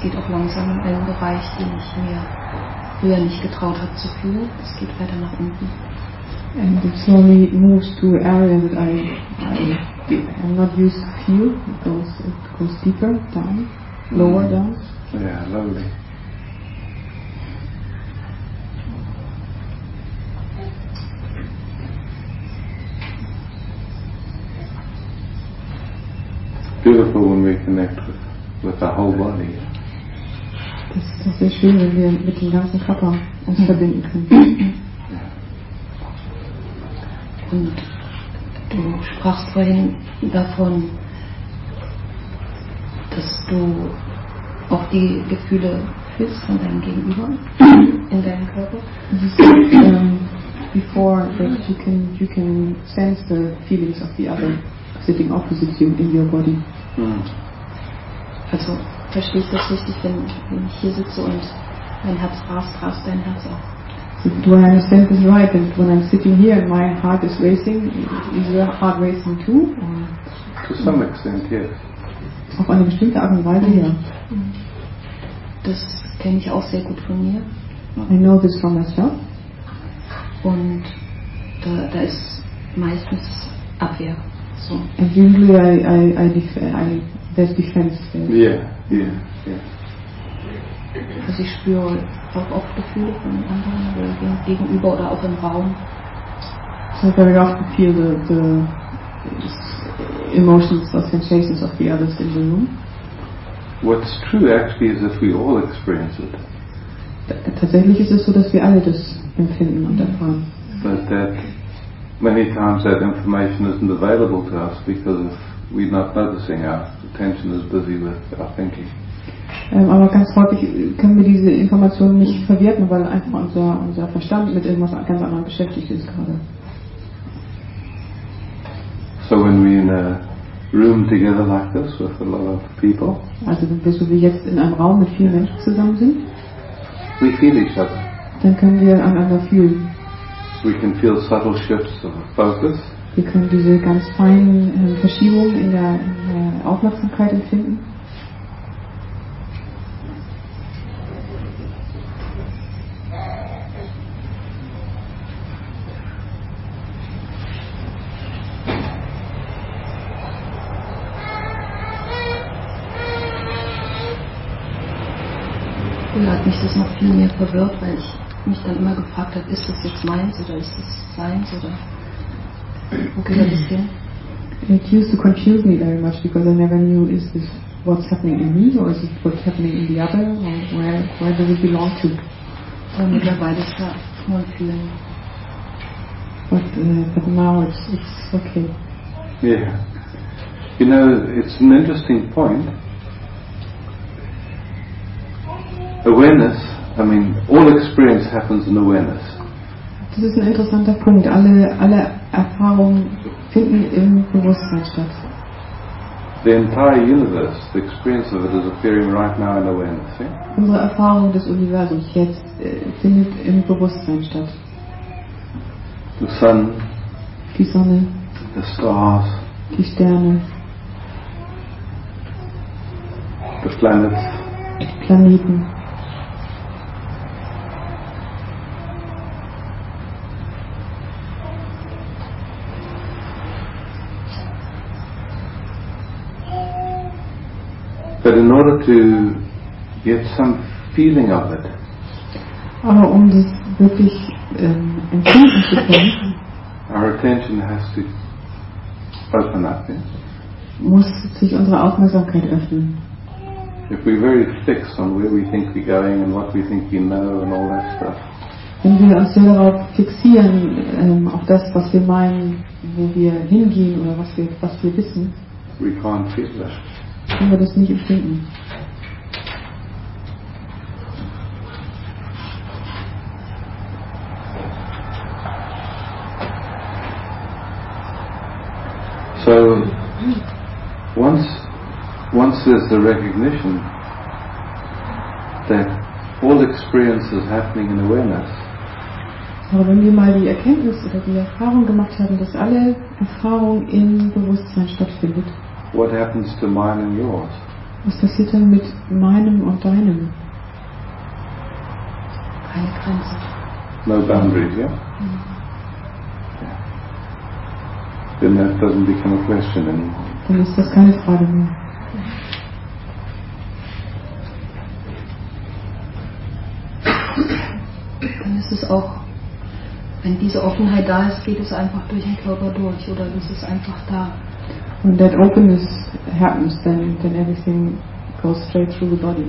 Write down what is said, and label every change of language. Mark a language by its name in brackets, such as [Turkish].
[German] Langsam in einem Bereich, den ich mir früher nicht getraut habe zu fühlen. Es geht weiter nach unten. [English] And it slowly moves to areas that I'm not used to feel. It goes deeper down, lower down. Yeah, lovely. Beautiful when we connect with the whole body. [German] Das ist doch sehr schön, wenn wir mit dem ganzen Körper uns verbinden können. Und du sprachst vorhin davon, dass du auch die Gefühle fühlst von deinem Gegenüber in deinem Körper. Du sagst, [English] before that you can sense the feelings of the other sitting opposite you in your body. [German] Also, verstehst du das richtig, wenn ich hier sitze und mein Herz rast, rast dein Herz auch? [English] So, do I understand this right? And when I'm sitting here and my heart is racing, is your heart racing too? Or? To some extent, yes. [German] Auf eine bestimmte Art und Weise, ja. Das kenne ich auch sehr gut von mir. [English] I know this from myself. [German] Und da ist meistens Abwehr. So. [English] And usually I there's defense there. Yeah. [German] Also ich spüre auch oft Gefühle von anderen oder gegenüber oder auch im Raum. [English] So very often feel the emotions or sensations of the others in the room. What's true actually is that we all experience it. [German] Tatsächlich ist es so, dass wir alle das empfinden und erfahren. [English] But that many times that information isn't available to us because of we're not noticing, our attention is busy with our thinking. [German] Aber ganz häufig können wir diese Informationen nicht verwerten, weil einfach unser Verstand mit irgendwas ganz anderem beschäftigt ist gerade. [English] So when we in a room together like this with a lot of people. [German] Also wenn wir so wie jetzt in einem Raum mit vielen Menschen zusammen sind. [English] We feel each other. [German] Dann können wir einander fühlen. [English] We can feel subtle shifts of focus. [German] Wir können diese ganz feinen Verschiebungen in der Aufmerksamkeit empfinden. Mich das noch viel mehr verwirrt, weil ich mich dann immer gefragt habe, ist das jetzt meins oder ist das seins oder wo gehört das hin? [English] It used to confuse me very much because I never knew, is this what's happening in me or is it what's happening in the other or where does it belong to? [German] Und mittlerweile ist da nur ein Feeling. [English] But now it's okay. Yeah. You know, it's an interesting point. Awareness, I mean, all experience happens in awareness. [German] Das ist ein interessanter Punkt. Alle Erfahrungen finden im Bewusstsein statt. [English] The entire universe, the experience of it is appearing right now in awareness. Yeah? [German] Unsere Erfahrung des Universums jetzt findet im Bewusstsein statt. [English] The sun, [German] die Sonne, [English] the stars, [German] die Sterne, [English] the planets, [German] die Planeten. [English] But in order to get some feeling of it, [German] aber um das wirklich empfinden zu können, [English] our attention has to open up. Yeah? [German] Muss sich unsere Aufmerksamkeit öffnen. [English] If we're very fixed on where we think we're going and what we think we know and all that stuff, [German] wenn wir uns sehr darauf fixieren, auf das, was wir meinen, wo wir hingehen oder was wir wissen, [English] we can't feel it. [German] Können wir das nicht empfinden. [English] So once there's the recognition that all experience is happening in awareness. [German] Aber wenn wir mal die Erkenntnis oder die Erfahrung gemacht haben, dass alle Erfahrung im Bewusstsein stattfindet. [English] What happens to mine and yours? [German] Was passiert dann mit meinem und deinem? Keine Grenze. [English] No boundaries, yeah? Then that doesn't become a question anymore. [German] Dann ist das keine Frage mehr. Dann ist es auch, wenn diese Offenheit da ist, geht es einfach durch den Körper durch, oder ist es einfach da? [English] When that openness happens, then everything goes straight through the body.